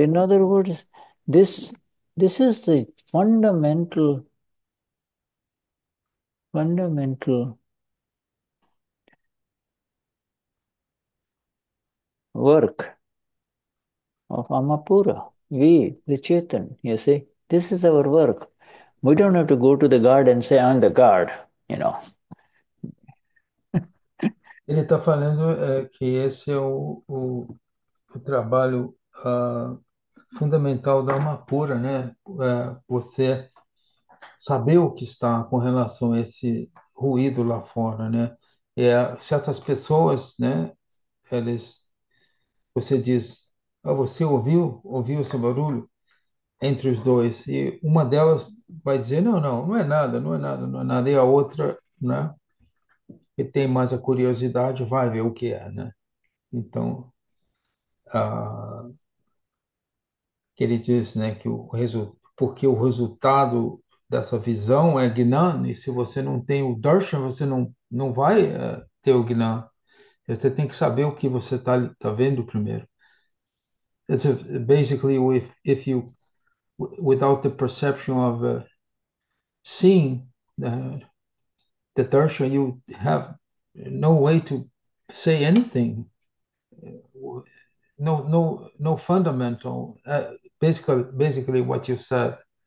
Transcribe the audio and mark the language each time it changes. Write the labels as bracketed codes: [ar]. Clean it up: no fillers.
[en] In other words, this is the fundamental work of Amapura. We, the Chetan, you see, this is our work. We don't have to go to the guard and say, I'm the guard, [pt] Ele está falando que esse é o trabalho fundamental da Amapura, né? Você saber o que está com relação a esse ruído lá fora, né? Certas pessoas, né? Você diz, ah, você ouviu esse barulho entre os dois? E uma delas vai dizer, não, não, não é nada, não é nada, não é nada. E a outra, né? E tem mais a curiosidade, vai ver o que é, né? Então, que ele diz, né, que porque o resultado dessa visão é Gnan, e se você não tem o Darshan, você não vai ter o Gnan. Você tem que saber o que você tá vendo primeiro. [en] It's basically, without the perception of seeing the Darshan, you have no way to say anything. [pt] No fundamental. [en] Basically, what you said.